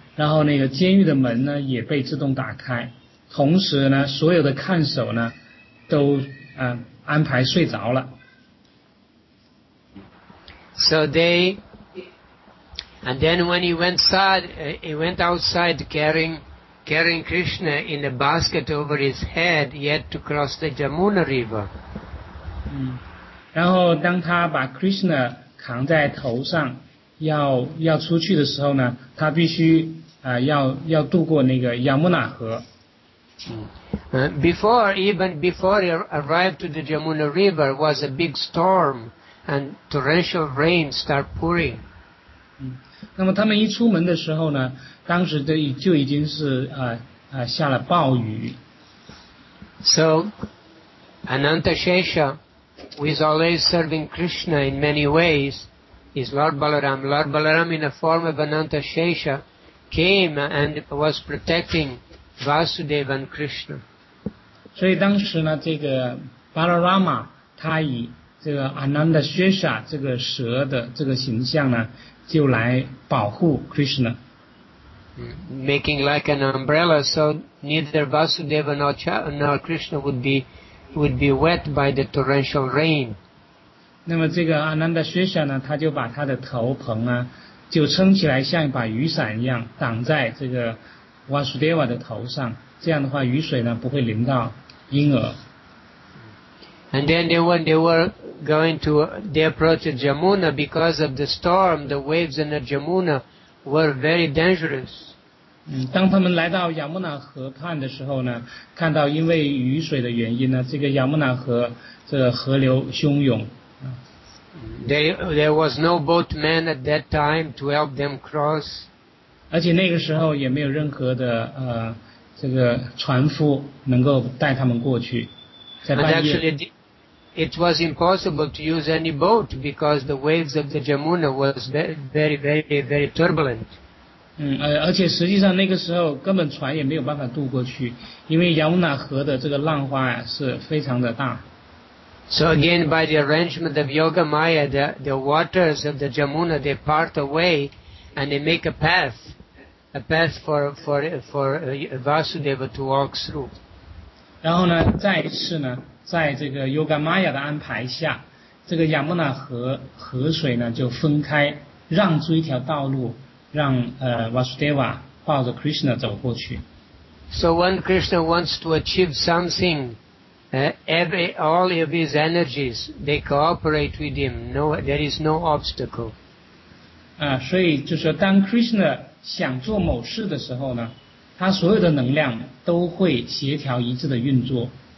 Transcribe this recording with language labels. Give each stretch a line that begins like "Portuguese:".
Chinese: 然后那个监狱的门呢，也被自动打开。同时呢，所有的看守呢，都安排睡着了。
English: So they, and then when he went outside carrying Krishna in a basket over his head, yet to cross the Jamuna River.
Chinese: 然后当他把 Krishna 扛在头上，要出去的时候呢，他必须要渡过那个 Yamuna 河。
English: Before he arrived to the Jamuna River was a big storm and torrential rain start pouring.
Chinese: 那么他们一出门的时候呢？当时就已经是下了暴雨。
English: So, Ananta Shesha, who is always serving Krishna in many ways, is Lord Balaram. Lord Balaram, in the form of Ananta Shesha, came and was protecting Vasudeva and Krishna.
Chinese: 所以当时呢，这个 Balarama 他以这个 Ananta Shesha 这个蛇的这个形象呢，就来保护 Krishna。
English: Making like an umbrella, so neither Vasudeva nor Krishna would be wet by the torrential rain.
Chinese: 那么这个 Ananda Shesha 呢，他就把他的头棚啊，就撑起来，像一把雨伞一样挡在这个 Vasudeva 的头上。这样的话，雨水呢不会淋到婴儿。
English: And then they approached Jamuna because of the storm, the waves in the Jamuna. Were very dangerous.
Chinese: 当他们来到亚穆纳河畔的时候呢，看到因为雨水的原因呢，这个亚穆纳河这个、河流汹涌。
English: There was no boatman at that time to help them cross.
Chinese: 而且那个时候也没有任何的这个船夫能够带他们过去。在半夜。
English: And actually, it was impossible to use any boat because the waves of the Jamuna was very, very, very, very turbulent.
Chinese: 而且实际上那个时候根本船也没有办法渡过去，因为亚穆纳河的这个浪花是非常的大。
English: So again, by the arrangement of Yoga Maya, the waters of the Jamuna they part away, and they make a path for Vasudeva to walk through.
Chinese: 然后呢，再一次呢。在这个 Yoga Maya 的安排下，这个亚穆纳河水呢就分开，让出一条道路，让Vasudeva 抱着 Krishna 走过去。
English: So when Krishna wants to achieve something, all of his energies they cooperate with him. No, there is no obstacle.
Chinese: 所以就是当 Krishna 想做某事的时候呢，他所有的能量都会协调一致的运作。